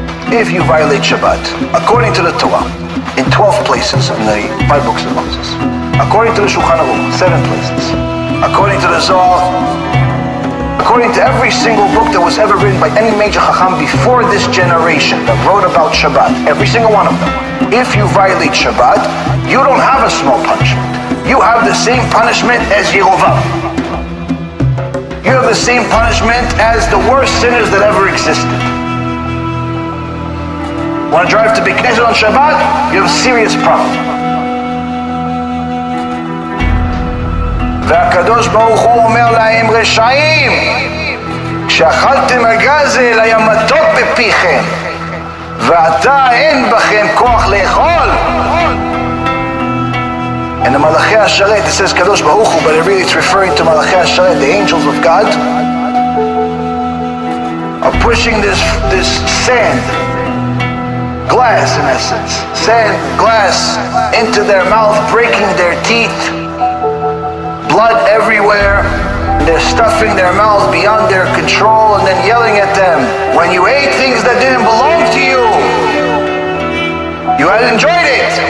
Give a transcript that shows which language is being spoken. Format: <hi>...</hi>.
<en>If you violate Shabbat, according to the Torah, in 12 places in the 5 books of Moses, according to the Shulchan Aruch, 7 places, according to the Zohar, according to every single book that was ever written by any major Chacham before this generation that wrote about Shabbat, every single one of them, if you violate Shabbat, you don't have a small punishment. You have the same punishment as Yehovah. You have the same punishment as the worst sinners that ever existed. Want to drive to Beit Knesset on Shabbat? You have a serious problem.</en> <he>והקדוש ברוך הוא אומר להם רשעים כשאכלתם הגזל היה מתוק בפיכם ואתה אין בכם כוח לאכול.</he> <en>And the מלאכי השרת, it says קדוש ברוך הוא, but it really is referring to מלאכי השרת, the angels of God are pushing this sand, glass in essence, sand, glass into their mouth, breaking their teeth, blood everywhere, and they're stuffing their mouths beyond their control and then yelling at them, when you ate things that didn't belong to you, you had enjoyed it.</en>